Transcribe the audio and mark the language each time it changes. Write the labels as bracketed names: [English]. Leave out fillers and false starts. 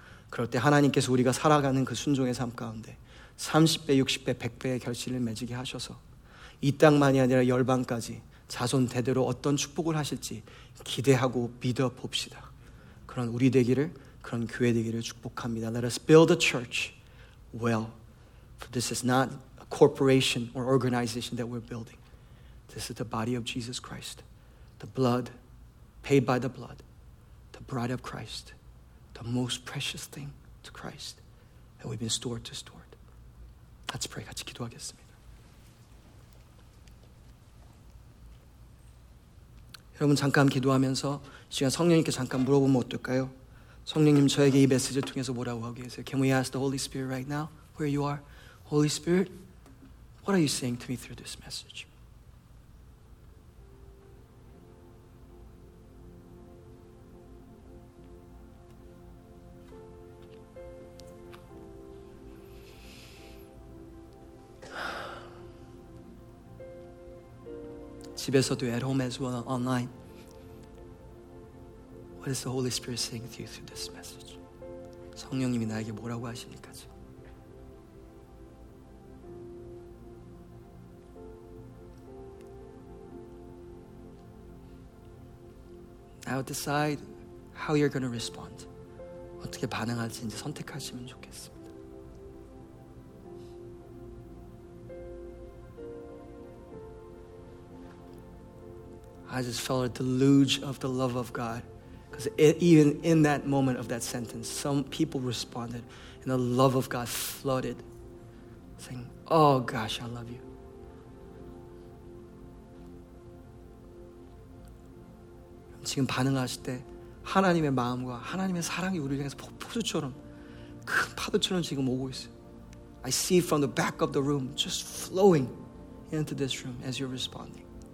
[Korean] 그럴 때 하나님께서 우리가 살아가는 그 순종의 삶 가운데 30배, 60배, 100배의 결실을 맺게 하셔서 이 땅만이 아니라 열방까지 자손 대대로 어떤 축복을 하실지 기대하고 믿어봅시다. 그런 우리 되기를, 그런 교회 되기를 축복합니다. [English] Let us build a church well. For this is not a corporation or organization that we're building. This is the body of Jesus Christ. The blood, paid by the blood. The bride of Christ. The most precious thing to Christ. That we've been stored to store. Let's pray. [Korean] 같이 기도하겠습니다. 여러분 잠깐 기도하면서 시간 성령님께 잠깐 물어보면 어떨까요? 성령님 저에게 이 메시지를 통해서 뭐라고 하고 계세요? [English] Can we ask the Holy Spirit right now where you are? Holy Spirit, what are you saying to me through this message? [Korean] 집에서도 [English] at home as well online. What is the Holy Spirit saying to you through this message? [Korean] 성령님이 나에게 뭐라고 하십니까? [English] Now decide how you're going to respond. [Korean] 어떻게 반응할지 이제 선택하시면 좋겠습니다. [English] I just felt a deluge of the love of God. Because even in that moment of that sentence, some people responded and the love of God flooded, saying, oh gosh, I love you. [Korean] Now, 지금 반응하실 때 하나님의 마음과 하나님의 사랑이 우리 향해서 폭포수처럼 큰 파도처럼 지금 오고 있어요. [English] I see from the back of the room just flowing into this room as you're responding.